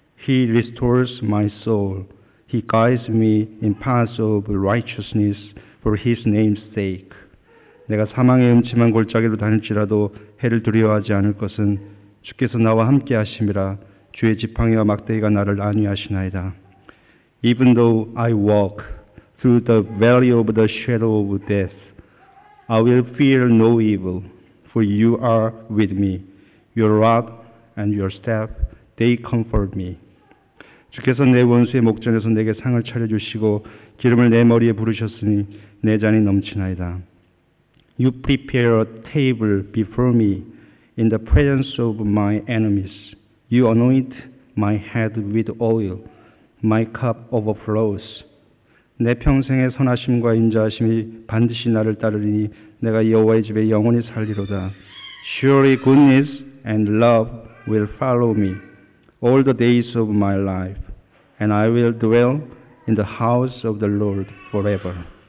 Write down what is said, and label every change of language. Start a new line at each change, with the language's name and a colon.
English: He restores my soul. He guides me in paths of righteousness for his name's sake.
Korean: 내가 사망의 음침한 골짜기로 다닐지라도 해를 두려워하지 않을 것은 주께서 나와 함께 하심이라 주의 지팡이와 막대기가 나를 안위하시나이다.
English: Even though I walk through the valley of the shadow of death, I will fear no evil, for you are with me. Your rod and your staff, they comfort me.
Korean: 주께서 내 원수의 목전에서 내게 상을 차려주시고 기름을 내 머리에 부르셨으니 내 잔이 넘치나이다.
English: You prepare a table before me in the presence of my enemies. You anoint my head with oil. My cup overflows.
Korean: 내 평생의 선하심과 인자하심이 반드시 나를 따르리니 내가 여호와의 집에 영원히 살리로다.
English: Surely goodness and love will follow me all the days of my life, and I will dwell in the house of the Lord forever.